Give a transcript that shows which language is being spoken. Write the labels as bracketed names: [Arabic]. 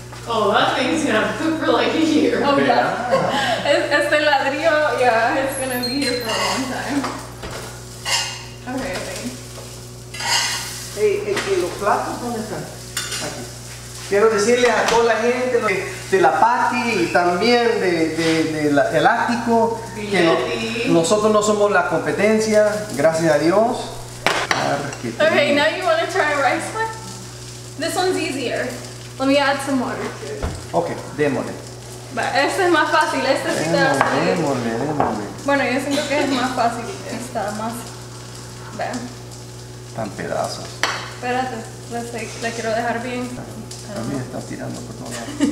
[English] Oh, that thing's gonna poop for like a year. Oh, yeah. [Spanish] Este [English] ladrillo, yeah, it's gonna be here for a long time. Okay, thanks. [Spanish] Hey, ¿y los platos dónde están? Aquí. Quiero decirle a toda la gente de la Patty y también del ático, que nosotros no somos la competencia, gracias a Dios. Arquitecto. [English] Okay, now you want to try rice one? This one's easier. Let me add some water too. [Spanish] Okay, démosle. Este es más fácil, este sí te va a salir. Démosle, démosle. Bueno, yo siento que es más fácil, está más. Vean. Están pedazos. Espérate, la quiero dejar bien. También está tirando por todos lados.